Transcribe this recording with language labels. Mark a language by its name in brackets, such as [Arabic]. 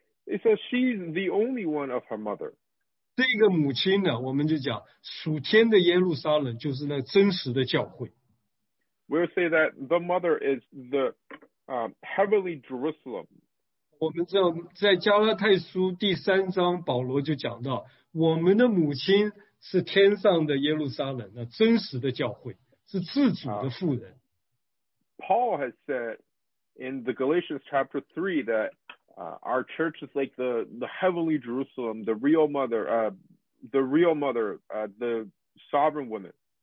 [English] It says she's the only one of her mother. [Chinese] 这个母亲呢, 我们就讲, 属天的耶路撒冷, 就是那真实的教会。 [English] We'll say that the mother is the heavenly Jerusalem. [Chinese] 我们知道在加拉太书第三章, 保罗就讲到, 我们的母亲是天上的耶路撒冷, 那真实的教会, 是自主的妇人。 [English] Paul has said in the Galatians chapter 3 that our church is like the heavenly Jerusalem, the real mother, the sovereign woman.